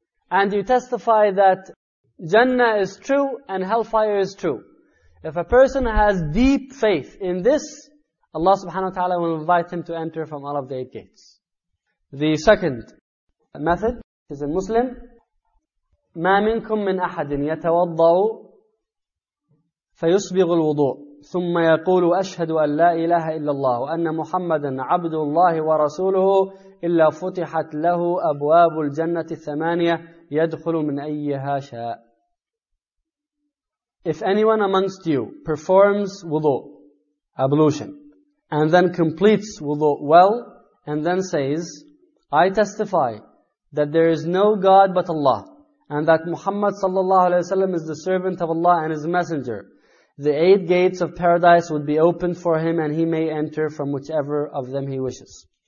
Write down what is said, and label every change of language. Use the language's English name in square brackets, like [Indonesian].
[English] And you testify that Jannah is true and hellfire is true. If a person has deep faith in this, Allah subhanahu wa ta'ala will invite him to enter from all of the eight gates. The second method is a Muslim. [Arabic] ما منكم من أحد يتوضأ فيسبغ الوضوء ثم يقول أشهد أن لا إله إلا الله وأن محمدا عبد الله ورسوله إلا فتحت له أبواب الجنة الثمانية يدخل من أيها شاء. [English] If anyone amongst you performs wudu, ablution, and then completes wudu well, and then says, I testify that there is no God but Allah, and that Muhammad sallallahu alayhi wa sallam is the servant of Allah and his messenger, the eight gates of paradise would be opened for him, and he may enter from whichever of them he wishes.